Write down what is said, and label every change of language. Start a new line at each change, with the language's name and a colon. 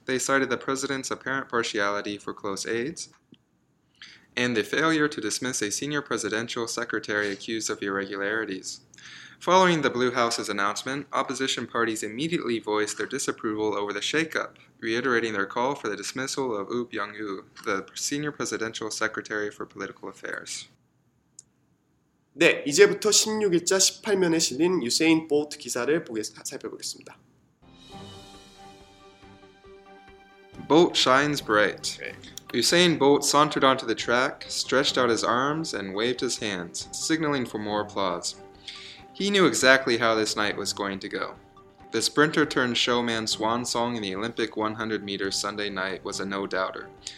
English: They cited the president's apparent partiality for close aides, and the failure to dismiss a senior presidential secretary accused of irregularities. Following the Blue House's announcement, opposition parties immediately voiced their disapproval over the shakeup, reiterating their call for the dismissal of Woo Byung-woo, the senior presidential secretary for political affairs.
Korean: 네, 이제부터 16일자 18면에 실린 유세인 볼트 기사를 살펴보겠습니다.
English: Bolt shines bright. Usain Bolt sauntered onto the track, stretched out his arms, and waved his hands, signaling for more applause. He knew exactly how this night was going to go. The sprinter turned showman swan song in the Olympic 100-meter Sunday night was a no-doubter.